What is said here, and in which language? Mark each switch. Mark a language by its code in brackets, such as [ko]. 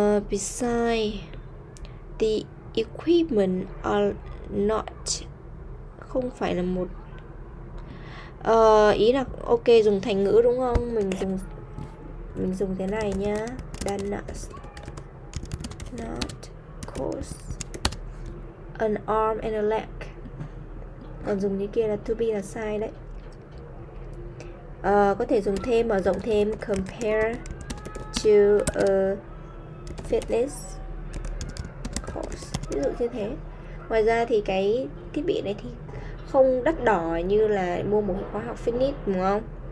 [en] Besides, the equipment are not, [vi] không phải là một, ý là ok dùng thành ngữ đúng không? Mình dùng thế này nhá. [en] Does not cost an arm and a leg. [vi] Còn dùng như kia là to be là sai đấy. Có thể dùng thêm, mở rộng thêm, [en] compare to a fitness. [vi] Ví dụ như thế. Ngoài ra thì cái thiết bị này thì không đắt đỏ như là mua một khóa học fitness đúng không?